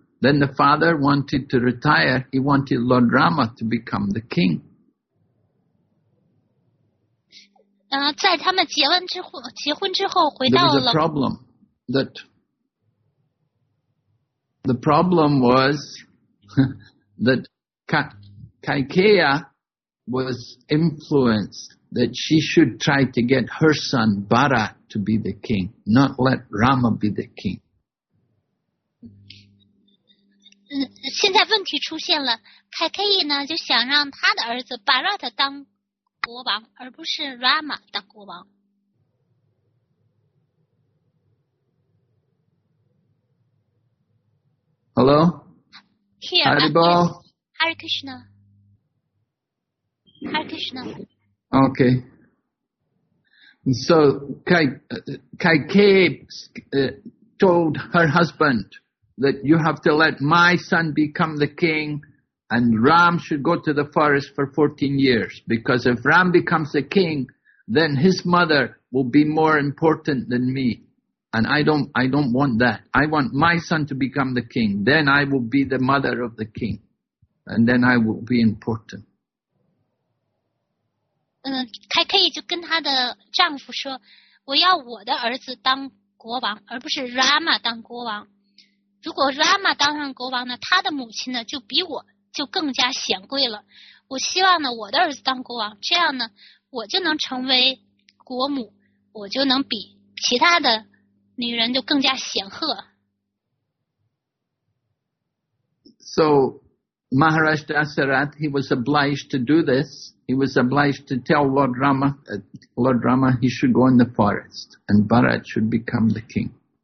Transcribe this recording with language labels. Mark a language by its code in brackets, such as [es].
[en] Then the father wanted to retire. He wanted Lord Rama to become the king. [zh] 在他们结婚之后回到了。 [en] There was a problem. The problem was that Kaikeya was influenced that she should try to get her son Bharat to be the king, not let Rama be the king. [zh] 现在问题出现了，凯凯伊呢就想让他的儿子巴拉特当国王，而不是 Rama 当国王。 [en] Hello? Here, Hare Bo. Hare Krishna. Hare Krishna. Okay. So Kaikeyi told her husband that you have to let my son become the king, and Ram should go to the forest for 14 years. Because if Ram becomes the king, then his mother will be more important than me. And I don't want that. I want my son to become the king. Then I will be the mother of the king. And then I will be important. [zh] 凯凯就跟他的丈夫说, 我要我的儿子当国王, 而不是Rama当国王。如果Rama当上国王呢, 他的母亲呢, 就比我, 就更加显贵了。我希望呢, 我的儿子当国王, 这样呢, 我就能成为国母, 我就能比其他的 [en] So Maharaj Dasarath, he was obliged to do this. He was obliged to tell Lord Rama, he should go in the forest and Bharat should become the king.